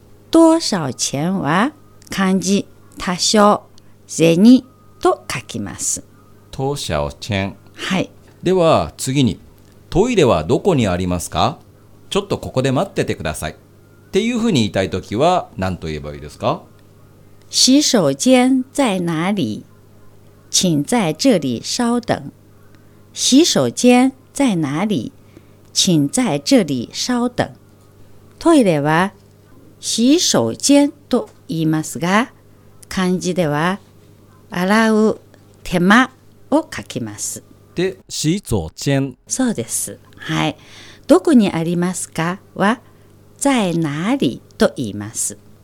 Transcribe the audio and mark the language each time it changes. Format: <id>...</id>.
<ja>多少钱は漢字多少銭と書きます。</ja> <zh>多少钱、</zh> <ja>はい、では次にトイレはどこにありますか、ちょっとここで待っててくださいっていうふうに言いたいときは何と言えばいいですか。</ja> <zh>洗手間在哪里请在这里稍等。洗手间在哪里请在这里稍等。</zh> <ja>トイレは洗手間と言いますが、漢字では洗う手間を書きます。で洗手間、そうです、はい、どこにありますかは在哪里と言います。</ja>